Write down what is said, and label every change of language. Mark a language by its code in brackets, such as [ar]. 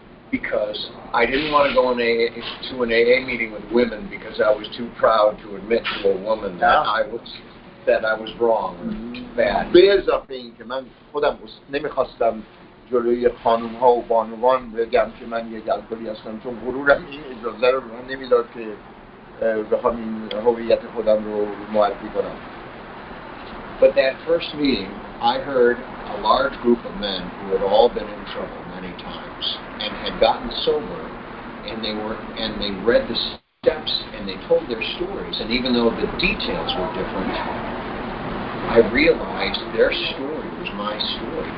[en] Because I didn't want to go to an AA meeting with women because I was too proud to admit to a woman that I was wrong or bad. [fa] به اضافه این که من خودم نمیخواستم جلوی خانوم ها و بانوان بگم که من یه الکلی هستم، چون غرورم این اجازه رو من نمیداد که بخوام این هویت خودم رو معرفی کنم. [en] But that first meeting, I heard a large group of men who had all been in trouble many times and had gotten sober, and they read the steps and they told their stories, and even though the details were different, I realized their story was my story.